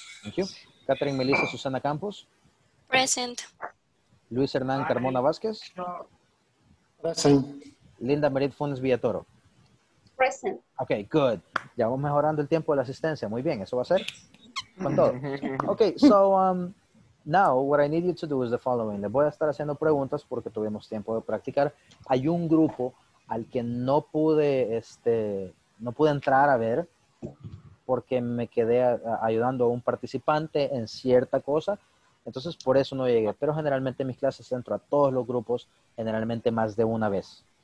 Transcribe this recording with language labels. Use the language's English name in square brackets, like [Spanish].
[English] Thank you. Catherine Melissa Susana Campos. Present. Luis Hernán Carmona Vázquez. Present. Linda Merit Funes Villatoro. Present. Ok, good. [Spanish] Ya vamos mejorando el tiempo de la asistencia. Muy bien, eso va a ser con todo. [English] Ok, so now what I need you to do is the following. [Spanish] Les voy a estar haciendo preguntas porque tuvimos tiempo de practicar. Hay un grupo al que no pude, no pude entrar a ver porque me quedé ayudando a un participante en cierta cosa. Entonces, por eso no llegué. Pero generalmente en mis clases entro a todos los grupos, generalmente más de una vez.